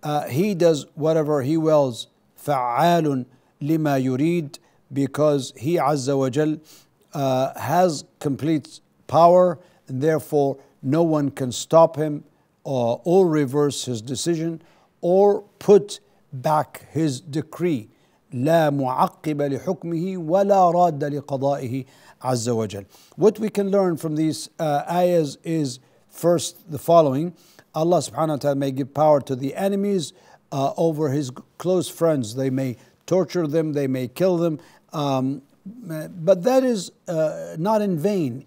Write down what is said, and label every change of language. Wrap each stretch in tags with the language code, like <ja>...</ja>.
<en>He does whatever He wills,</en> <ar>fa'alun lima yurid,</ar> <en>because He Azza wa Jal has complete power, and therefore no one can stop Him or reverse His decision or put back His decree.</en> <ar>لا معقب لحكمه ولا راد لقضائه عز وجل.</ar> <en>What we can learn from these ayahs is first the following. Allah subhanahu wa ta'ala may give power to the enemies over His close friends. They may torture them, they may kill them. But that is not in vain.</en>